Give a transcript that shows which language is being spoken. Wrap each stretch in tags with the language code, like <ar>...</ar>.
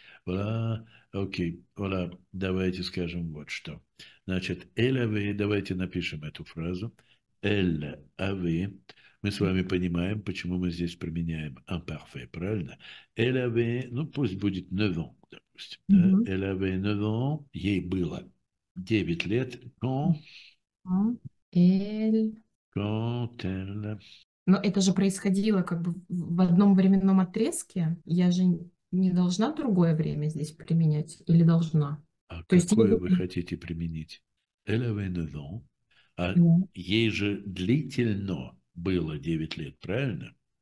<ru>Voilà, окей, voilà, давайте скажем вот что. Значит, elle avait, давайте напишем эту фразу.</ru> <fr>Elle avait,</fr> <ru>мы с вами понимаем, почему мы здесь применяем imparfait, правильно?</ru> <fr>Elle avait,</fr> <ru>ну пусть будет 9 ans, допустим, да?</ru> <fr>Elle avait 9 ans,</fr> <ru>ей было 9 лет, Эль.</ru> <fr>quand elle...</fr> <ru>Но это же происходило как бы в одном временном отрезке. Я же не должна другое время здесь применять или должна? А То есть какое вы хотите применить?</ru> <fr>Elle avait 9 ans. А</fr> <ru>ну. ей же длительно было 9 лет, правильно?</ru>